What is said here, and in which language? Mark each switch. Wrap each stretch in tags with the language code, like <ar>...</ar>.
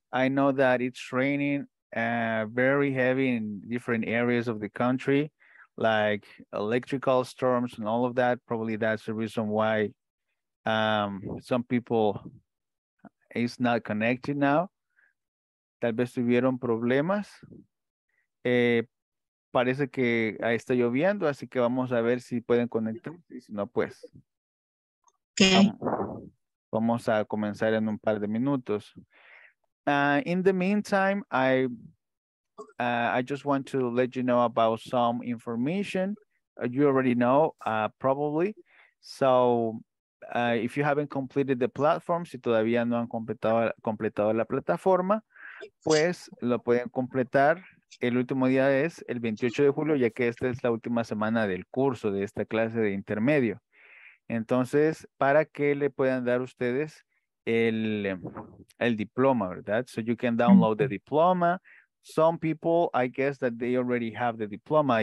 <en>I know that it's raining very heavy in different areas of the country, like electrical storms and all of that. Probably that's the reason why some people is not connected now.</en> <es>Tal vez tuvieron problemas. Parece que ahí está lloviendo, así que vamos a ver si pueden conectarse. Si no, pues okay. Vamos a comenzar en un par de minutos.</es> <en>In the meantime, I just want to let you know about some information you already know, probably. So if you haven't completed the platform,</en> <es>si todavía no han completado la plataforma, pues lo pueden completar. El último día es el 28 de julio, ya que esta es la última semana del curso de esta clase de intermedio. Entonces, para que le puedan dar ustedes el diploma, ¿verdad?</es> <en>So you can download the diploma. Some people, I guess that they already have the diploma.</en>